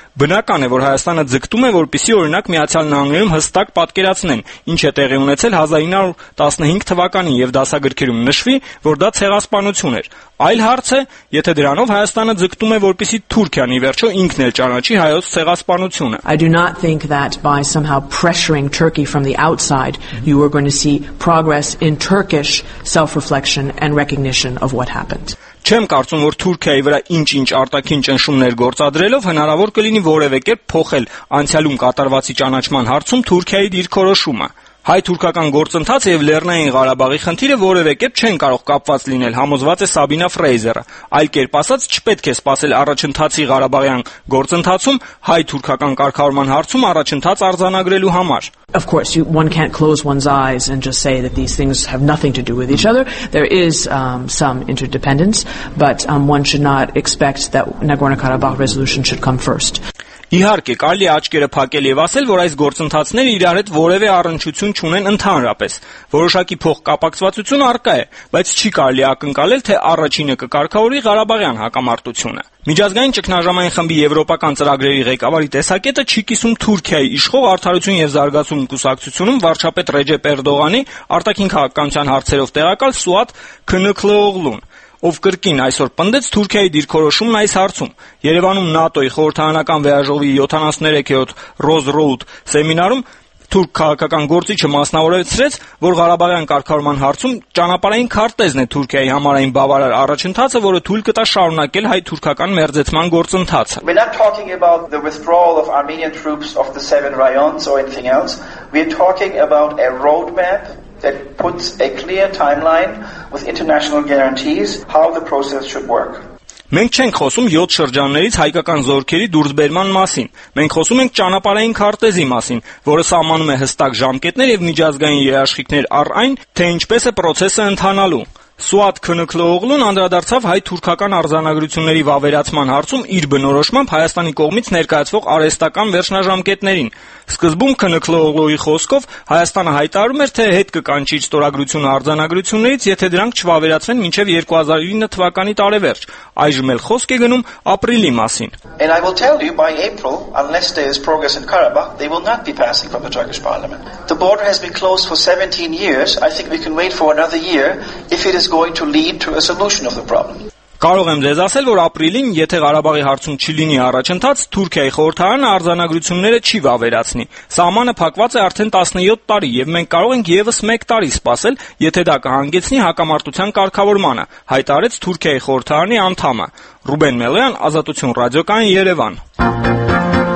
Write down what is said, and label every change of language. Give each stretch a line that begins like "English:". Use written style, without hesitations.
Armenian: բնական է, որ Հայաստանը ձգտում է, որպեսզի օրինակ Միացյալ Նահանգներում հստակ պատկերացնեն, ինչ է տեղի ունեցել 1915 թվականին եւ դասագրքերում նշվի, որ դա ցեղասպանություն էր։ Այլ հարց է, եթե դրանով Հայաստանը ձգտում է, որպեսզի Թուրքիան ի վերջո ինքն էլ ճանաչի հայոց ցեղասպանությունը։
English: I do not think that by somehow pressuring Turkey from the outside you are going to see progress in Turkish self-reflection and recognition of what happened.
Armenian: Չեմ կարծում, որ Թուրքիայի վրա ինչ-ինչ արտաքին ճնշումներ գործադրելով հնարավոր կլինի որևէ կերպ փոխել անցյալում կատարվածի ճանաչման հարցում Թուրքիայի դիրքորոշումը։ Հայ-թուրքական գործընթացը եւ Լեռնային Ղարաբաղի խնդիրը որևէ կերպ չեն կարող կապված լինել, համոզված է Սաբինա Ֆրեյզերը։ Այլ կերպ ասած, չպետք է սպասել առաջընթացի Ղարաբաղյան գործընթացում հայ-թուրքական կարգավորման հարցում առաջընթաց արձանագրելու համար։
English: Of course, one can't close one's eyes and just say that these things have nothing to do with each other. There is some interdependence, but one should not expect that Nagorno-Karabakh resolution should come first.
Armenian: Իհարկե, կարելի աչքերը փակել եւ ասել, որ այս գործընթացները իրար հետ որևէ առնչություն չունեն ընդհանրապես։ Որոշակի փող կապակցվածություն առկա է, բայց չի կարելի ակնկալել, թե առաջինը կկարգավորի Ղարաբաղյան հակամարտությունը։ Միջազգային ճգնաժամային խմբի եվրոպական ծրագրերի ղեկավարի տեսակետը չի կիսում Թուրքիայի իշխող արդարություն և զարգացում կուսակցությունում վարչապետ Ռեջեփ Էրդողանի արտաքին քաղաքականության հարցերով տեղակալ Սուադ Քնըքլեոգլուն, ով կրկին այսօր պնդեց Թուրքիայի դիրքորոշումն այս հարցում։ Երևանում ՆԱՏՕ-ի խորհրդարանական վեաժողովի 73-րդ Ռոզ-Ռոուդ սեմինարում Թուրք քաղաքական գործիչը մասնավորեցրեց, որ Ղարաբաղյան կարգավորման հարցում ճանապարհային քարտեզն է Թուրքիայի համար այն բավարար առաջընթացը, որը թույլ կտա շարունակել հայ-թուրքական մերձեցման գործընթացը։
English: We're not talking about the withdrawal of Armenian troops of the seven rayons or anything else. We're talking about a roadmap that puts a clear timeline with international guarantees how the process should work.
Armenian: Մենք չենք խոսում 7 շրջաններից հայկական զորքերի դուրսբերման մասին։ Մենք խոսում ենք ճանապարհային քարտեզի մասին, որը սահմանում է հստակ ժամկետներ եւ միջազգային երաշխիքներ առ այն, թե ինչպես է պրոցեսը ընթանալու։ Սուադ Քնըքլեոգլուն անդրադարձավ հայ-թուրքական արձանագրությունների վավերացման հարցում իր բնորոշմամբ Հայաստանի կողմից ներկայացվող արհեստական վերջնաժամկետներին։ Սկզբում Քնըքլեոգլուի խոսքով Հայաստանը հայտարարում էր, թե հետ կկանչի ճտորագրություն արձանագրություններից, եթե դրանք չվավերացվեն մինչև 2009 թվականի տարեվերջ։ Այժմ էլ խոսք է գնում ապրիլի մասին։
English: And I will tell you, by April, unless there is progress in Karabakh, they will not be passing from the Turkish parliament. The border has been closed for 17 years. I think we can wait for another year if it is going to lead to a solution of the problem.
Armenian: Կարող եմ ձեզ ասել, որ ապրիլին, եթե Ղարաբաղի հարցում չլինի առաջընթաց, Թուրքիայի խորհրդարանը արձանագրությունները չի վավերացնի։ Սահմանը փակված է արդեն 17 տարի, եւ մենք կարող ենք եւս 1 տարի սպասել, եթե դա կհանգեցնի հակամարտության կարգավորմանը, հայտարարեց Թուրքիայի խորհրդարանի անդամը։ Ռուբեն Մելոյան, Ազատություն ռադիոկայան, Երևան։